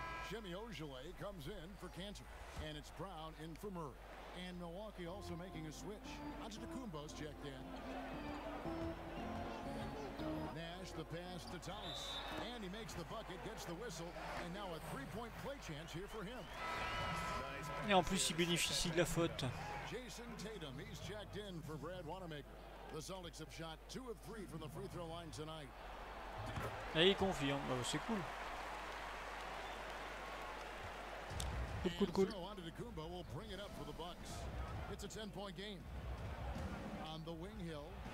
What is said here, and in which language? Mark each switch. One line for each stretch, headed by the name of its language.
English: Jimmy Ogilvy comes in for Kanter, and it's Brown in for Murray. And Milwaukee also making a switch. Antetokounmpo's checked in. Nash, the pass to Tice. And he makes the bucket, gets the whistle, and now a 3-point play chance here for him.
French: Et en plus, il bénéficie de la faute.
English: Jason Tatum, he's checked in for Brad Wanamaker. The Celtics have shot 2 of 3 from the free throw line tonight.
French: Et il confirme, oh, c'est cool.
English: So Antetokounmpo will bring it up for the Bucks. It's a 10-point game. On the wing hill.